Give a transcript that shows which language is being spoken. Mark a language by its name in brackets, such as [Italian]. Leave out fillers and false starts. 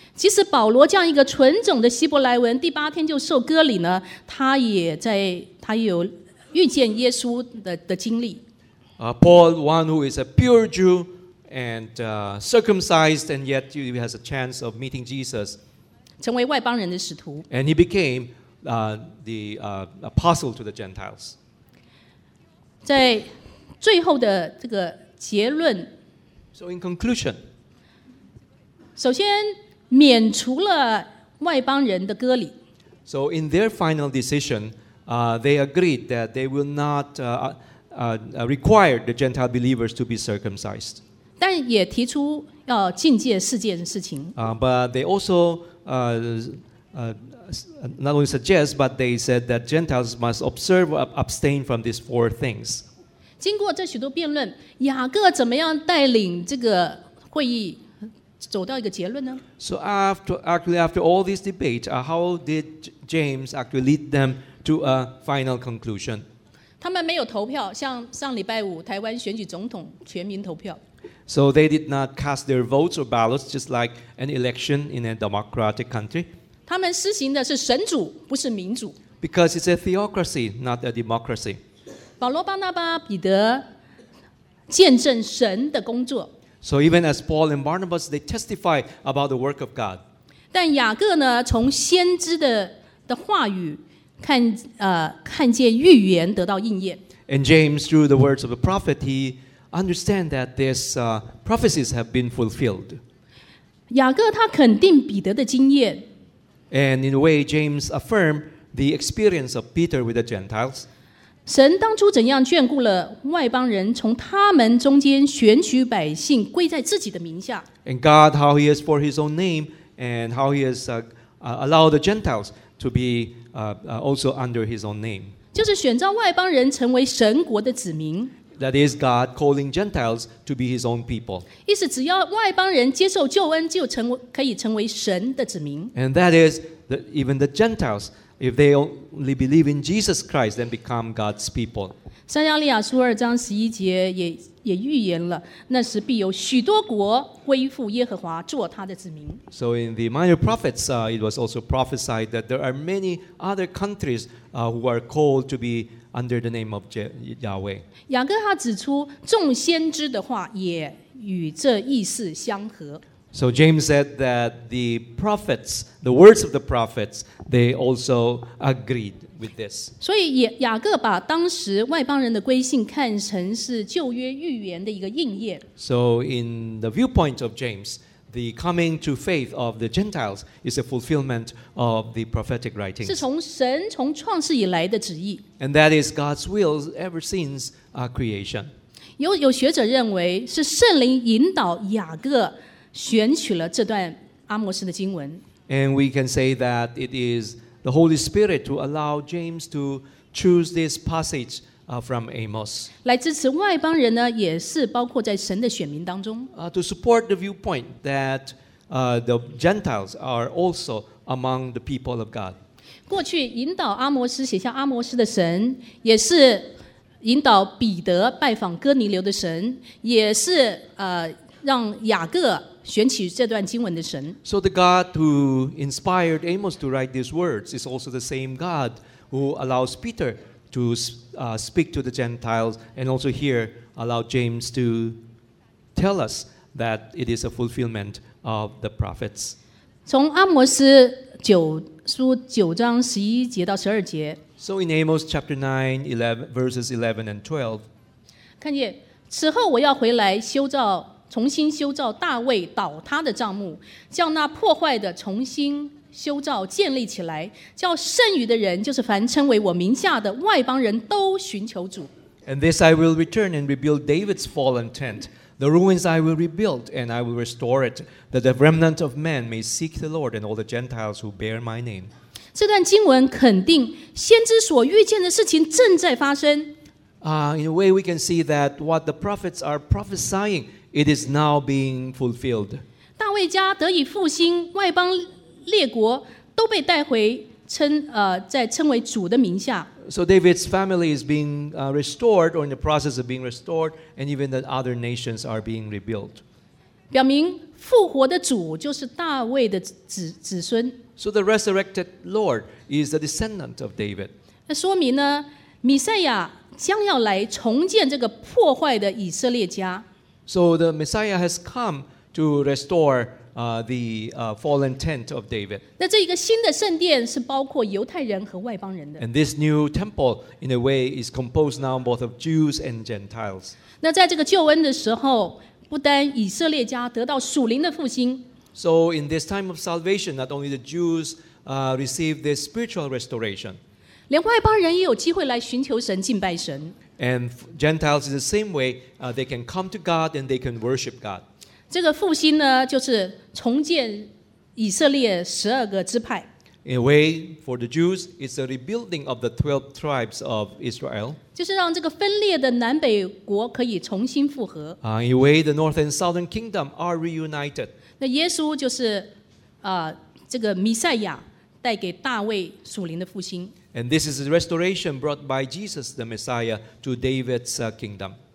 [Chinese] 即使保罗这样一个纯种的希伯来文，第八天就受割礼呢，他也有遇见耶稣的经历。 [English] Paul, one who is a pure Jew and circumcised, and yet he has a chance of meeting Jesus. [Chinese] 成为外邦人的使徒。 [English] And he became the apostle to the Gentiles. [Chinese] 在最后的这个结论。 [English] So in conclusion, [Chinese] 首先免除了外邦人的割礼。 [English] So in their final decision, they agreed that they will not. Required the Gentile believers to be circumcised. [Chinese] 但也提出要禁戒四件事情。 [English] But they also not only suggest, but they said that Gentiles must observe or abstain from these four things. [Chinese] 经过这许多辩论，雅各怎么样带领这个会议走到一个结论呢？ [English] So after all this debate, how did James actually lead them to a final conclusion? [Chinese] 他们没有投票，像上礼拜五台湾选举总统全民投票。 [English] So they did not cast their votes or ballots, just like an election in a democratic country. [Chinese] 他们施行的是神主，不是民主。 [English] Because it's a theocracy, not a democracy. [Chinese] 保罗、巴拿巴、彼得见证神的工作。 [English] So even as Paul and Barnabas, they testify about the work of God. [Chinese] 但雅各呢，从先知的话语。看见预言得到应验。 [English] And James, through the words of a prophet, he understands that these prophecies have been fulfilled. [Chinese] 雅各他肯定彼得的经验。 [English] And in a way, James affirmed the experience of Peter with the Gentiles. [Chinese] 神当初怎样眷顾了外邦人，从他们中间选取百姓归在自己的名下。 [English] And God, how he has for his own name, and how he has allowed the Gentiles to be also under his own name. [Chinese] 就是选召外邦人成为神国的子民。 [English] That is God calling Gentiles to be his own people. [Chinese] 意思只要外邦人接受救恩就可以成为神的子民。 [English] And that is that even the Gentiles, if they only believe in Jesus Christ, then become God's people. [Chinese] 撒加利亚书二章十一节也预言了，那时必有许多国归附耶和华，做他的子民。 [English] So in the minor prophets, it was also prophesied that there are many other countries, who are called to be under the name of Yahweh. [Chinese] 雅各他指出，众先知的话也与这意思相合。 [English] So James said that the prophets, the words of the prophets, they also agreed with with this. [Chinese] 所以雅各把当时外邦人的归信看成是旧约预言的一个应验。 [English] So in the viewpoint of James, the coming to faith of the Gentiles is a fulfillment of the prophetic writings. [Chinese] 是从神从创世以来的旨意。 [English] And that is God's will ever since our creation. [Chinese] 有学者认为是圣灵引导雅各选取了这段阿摩斯的经文。 [English] And we can say that it is the Holy Spirit to allow James to choose this passage from Amos. [Chinese] 来支持外邦人呢，也是包括在神的选民当中。 [English] To support the viewpoint that the Gentiles are also among the people of God. [Chinese] 过去引导阿摩斯写下阿摩斯的神，也是引导彼得拜访哥尼流的神，也是让雅各选取这段经文的神。 [English] So the God who inspired Amos to write these words is also the same God who allows Peter to speak to the Gentiles and also here allow James to tell us that it is a fulfillment of the prophets. [Chinese] 从阿摩斯九书九章十一节到十二节。 [English] So in Amos chapter 9, verses 11 and 12. [Chinese] 看见，此后我要回来修造重新修造大卫倒塌的帐幕，叫那破坏的重新修造建立起来，叫剩余的人，就是凡称为我名下的外邦人都寻求主。 [English] And this I will return and rebuild David's fallen tent. The ruins I will rebuild and I will restore it, that the remnant of men may seek the Lord and all the Gentiles who bear my name. [Chinese] 这段经文肯定先知所预见的事情正在发生。 [English] In a way we can see that what the prophets are prophesying,It is now being fulfilled. [Chinese] 大卫家得以复兴，外邦列国都被带回在称为主的名下。 [English] So David's family is being restored, or in the process of being restored, and even the other nations are being rebuilt. [Chinese] 表明复活的主就是大卫的子孙。 [English] So the resurrected Lord is the descendant of David. [Chinese] 那说明呢，弥赛亚将要来重建这个破坏的以色列家。 [English] So the Messiah has come to restore fallen tent of David. [Chinese] 那这一个新的圣殿是包括犹太人和外邦人的。 [English] And this new temple, in a way, is composed now both of Jews and Gentiles. [Chinese] 那在这个救恩的时候，不单以色列家得到属灵的复兴。 [English] So in this time of salvation, not only the Jews receive this spiritual restoration. [Chinese] 连外邦人也有机会来寻求神、敬拜神。 [English] And Gentiles in the same way, they can come to God and they can worship God. [Chinese] 这个复兴呢，就是重建以色列十二个支派。 [English] In a way, for the Jews, it's a rebuilding of the 12 tribes of Israel. [Chinese] 就是让这个分裂的南北国可以重新复合。 [English] In a way, the North and Southern Kingdom are reunited. [Chinese] 那耶稣就是这个弥赛亚带给大卫属灵的复兴。 [English] And this is a restoration brought by Jesus, the Messiah, to David's kingdom.